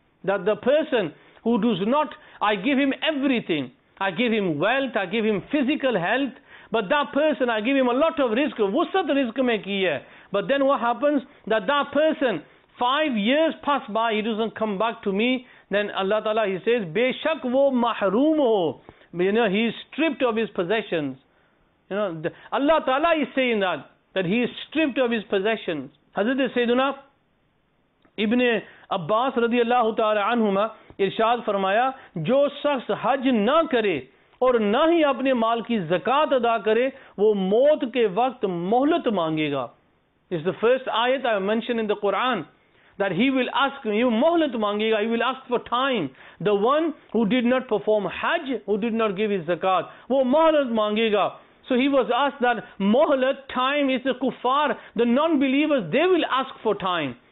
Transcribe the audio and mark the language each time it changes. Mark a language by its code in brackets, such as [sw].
[en] that the person who does not I give him everything I give him wealth I give him physical health but that person I give him a lot of risk [ur] وسعت رزق میں کی ہے [en] but then what happens that person 5 years pass by he doesn't come back to me Then Allah Ta'ala, He says, [ur] بے شک وہ محروم ہو. [en] You know, He is stripped of His possessions. You know, Allah Ta'ala is saying that He is stripped of His possessions. [ur] حضرت سیدنا ابن عباس رضی اللہ تعالی عنہما ارشاد فرمایا جو شخص حج نہ کرے اور نہ ہی اپنے مال کی زکاة ادا کرے وہ موت کے وقت مہلت مانگے گا. [en] It's the first ayat I mentioned in the Quran. That he will ask, he will ask for time. The one who did not perform Hajj, who did not give his zakat, [ur] wo mohlat mangega. [en] So he was asked that mohlat, time is the kuffar, the non-believers, they will ask for time.